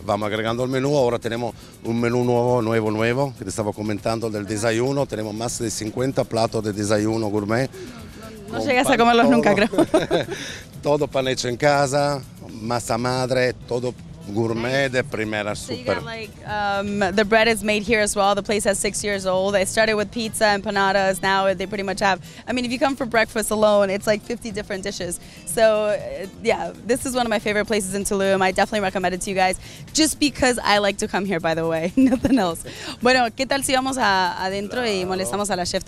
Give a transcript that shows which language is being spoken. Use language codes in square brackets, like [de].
[es] Vamos agregando el menú. Ahora tenemos un menú nuevo, que te estaba comentando del desayuno. Tenemos más de 50 platos de desayuno gourmet. No llegas a comerlos todo, nunca, creo. Todo pan hecho en casa, masa madre, todo gourmet de primera, super. [en] So you got like, the bread is made here as well. The place has 6 years old. It started with pizza and empanadas. Now they pretty much have, I mean, if you come for breakfast alone, it's like 50 different dishes. So yeah, this is one of my favorite places in Tulum. I definitely recommend it to you guys just because I like to come here, by the way. Nothing else. [es] Bueno, ¿qué tal si vamos adentro y molestamos a la chef?